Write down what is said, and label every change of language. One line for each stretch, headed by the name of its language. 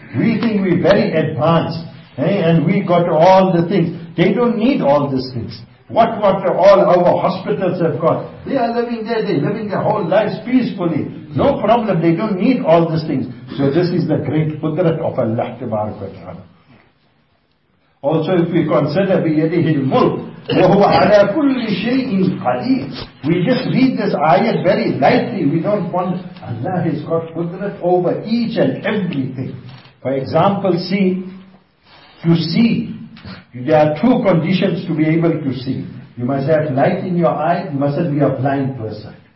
English: We think we're very advanced, and we got all the things. They don't need all these things. What all our hospitals have got? They are living there, they're living their whole lives peacefully. No problem, they don't need all these things. So this is the great qudrat of Allah tabarak wa ta'ala.
Arabic: Also if we consider بِيَدِهِ الْمُلْكِ وَهُوَ عَلَى كُلِّ شَيْءٍ قَلِيرٍ.
English: We just read this ayat very lightly, we don't want, Allah has got qudrat over each and everything. For example, see, to see, there are two conditions to be able to see. You must have light in your eye, you mustn't be a blind person.